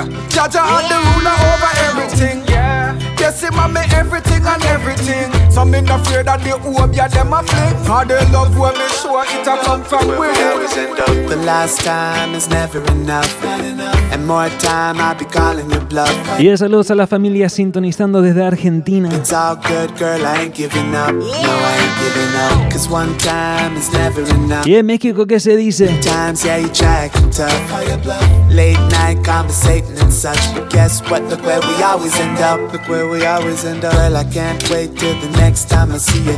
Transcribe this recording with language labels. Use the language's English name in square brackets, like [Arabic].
[English] Jah Jah and the ruler over everything. Yeah. Yes, him and me everything and everything. So me no fear that the hope, yeah, them a fling. For the love where me sure it a come from within. The last time is never enough. And more time I'll be calling your bluff. [Spanish] Y yeah, saludos a la familia sintonizando desde Argentina. [English] It's all good, girl, I ain't giving up. No, I ain't giving up. Cause one time is never enough. [Spanish] Yeah, México, ¿qué se dice? [English] Times, yeah, you try acting tough. Late night conversating and such. But guess what, look where we always end up. Look where we always end up. Girl, I can't wait till the next time I see you.